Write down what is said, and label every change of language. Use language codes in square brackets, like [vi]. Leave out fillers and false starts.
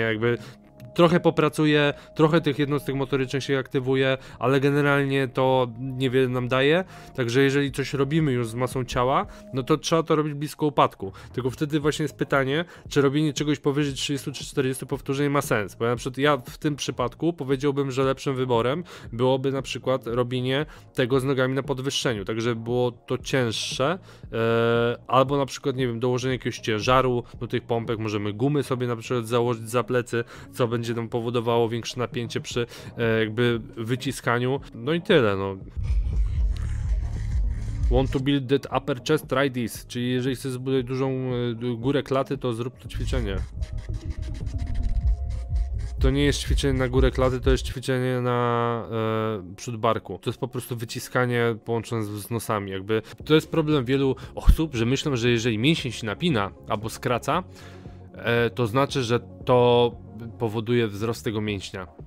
[pl] Jakby trochę popracuje, trochę tych jednostek motorycznych się aktywuje, ale generalnie to niewiele nam daje, także jeżeli coś robimy już z masą ciała, no to trzeba to robić blisko upadku, tylko wtedy właśnie jest pytanie, czy robienie czegoś powyżej 30 czy 40 powtórzeń ma sens, bo na przykład ja w tym przypadku powiedziałbym, że lepszym wyborem byłoby na przykład robienie tego z nogami na podwyższeniu, tak żeby było to cięższe, albo na przykład, nie wiem, dołożenie jakiegoś ciężaru do tych pompek, możemy gumy sobie na przykład założyć za plecy, co będzie nam powodowało większe napięcie przy jakby wyciskaniu. No i tyle, no. [en] Want to build that upper chest, try this. [pl] Czyli jeżeli chcesz zbudować dużą górę klaty, to zrób to ćwiczenie. To nie jest ćwiczenie na górę klaty, to jest ćwiczenie na przódbarku. To jest po prostu wyciskanie połączone z nosami, jakby. To jest problem wielu osób, że myślą, że jeżeli mięsień się napina albo skraca, to znaczy, że to powoduje wzrost tego mięśnia.